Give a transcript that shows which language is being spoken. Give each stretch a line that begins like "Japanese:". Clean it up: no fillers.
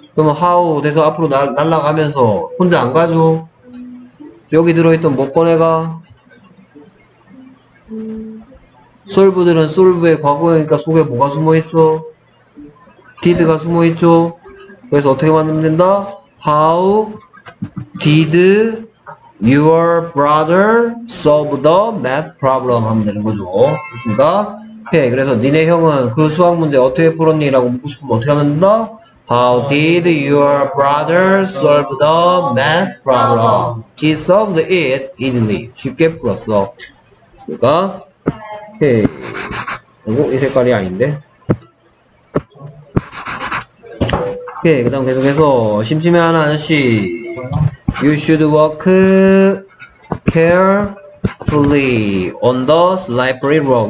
Korean: 그럼 how 돼서 앞으로 날아가면서 혼자 안 가죠? 여기 들어있던 뭐 꺼내가? solve들은 solve의 과거니까 속에 뭐가 숨어있어? did가 숨어있죠? 그래서 어떻게 만들면 된다?
English: How did your brother solve the math problem?
Korean: 하면 되는 거죠. 됐습니까? 오케이. 그래서 니네 형은 그 수학 문제 어떻게 풀었니? 라고 묻고 싶으면 어떻게 하면 된다?
English: How did your brother solve the math problem? He solved it easily.
Korean: 쉽게 풀었어. 됐습니까? 오케이. 이거 이 색깔이 아닌데? 오케이. 그 다음 계속해서 심심해하는 아저씨.
English: You should walk carefully on the slippery road.